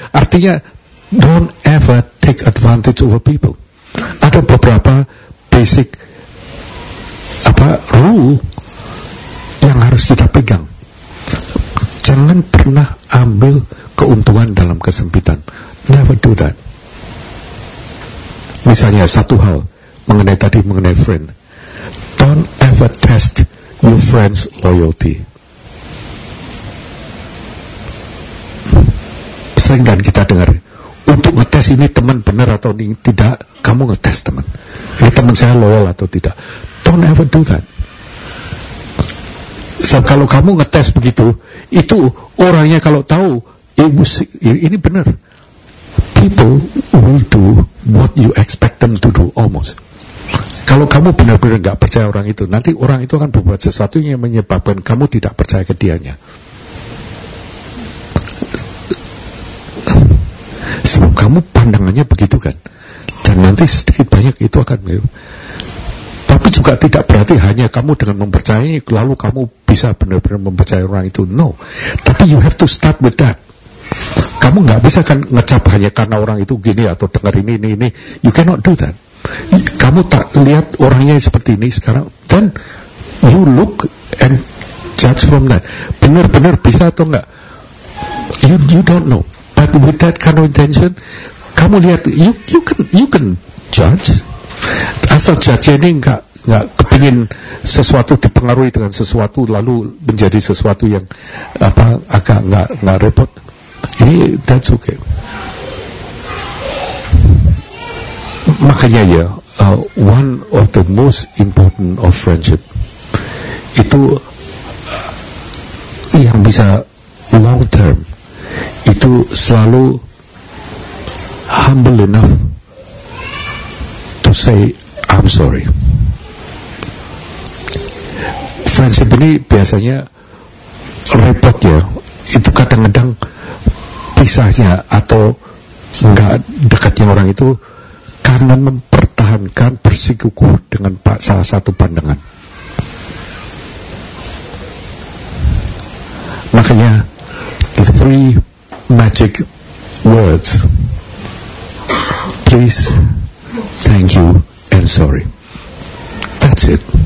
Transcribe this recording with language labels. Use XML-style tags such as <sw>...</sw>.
<id>Artinya,</id> <en>don't ever take advantage over people.</en> <id>Ada beberapa basic rule yang harus kita pegang. Jangan pernah ambil keuntungan dalam kesempitan.</id> <en>Never do that.</en> <id>Misalnya satu hal mengenai tadi, mengenai friend.</id> <en>Don't ever test your friend's loyalty.</en> <id>Sering kan kita dengar, untuk ngetes ini teman benar atau tidak, kamu ngetes teman. Ini teman saya loyal atau tidak.</id> <en>Don't ever do that.</en> <id>Sebab kalau kamu ngetes begitu, itu orangnya kalau tahu, ini benar.</id> <en>People will do what you expect them to do, almost.</en> <id>Kalau kamu benar-benar gak percaya orang itu, nanti orang itu akan berbuat sesuatu yang menyebabkan kamu tidak percaya ke dianya. Sebab kamu pandangannya begitu kan. Dan nanti sedikit banyak itu akan mirip. Tapi juga tidak berarti hanya kamu dengan mempercayai, lalu kamu bisa benar-benar mempercayai orang itu.</id> <en>No.</en> <id>Tapi</id> <en>you have to start with that.</en> <id>Kamu gak bisa kan ngecap hanya karena orang itu gini atau dengar ini.</id> <en>You cannot do that.</en> <id>Kamu tak lihat orangnya seperti ini sekarang.</id> <en>Then you look and judge from that.</en> <id>Benar-benar bisa atau enggak?</id> <en>You don't know. But with that kind of intention,</en> <id>kamu lihat,</id> <en>you can judge.</en> <id>Asal judge ini enggak kepingin sesuatu dipengaruhi dengan sesuatu lalu menjadi sesuatu yang agak enggak repot. Ini</id> <en>that's okay.</en> <id>Makanya ya,</id> <en>one of the most important of friendship</en> <id>itu yang bisa</id> <en>long term</en> <id>itu selalu</id> <en>humble enough to say I'm sorry.</en> <id>Friendship ini biasanya repot ya, itu kadang-kadang pisahnya atau enggak dekatnya orang itu karena mempertahankan bersikukuh dengan salah satu pandangan. Makanya</id> <en>the three magic words, please, thank you, and sorry. That's it.</en>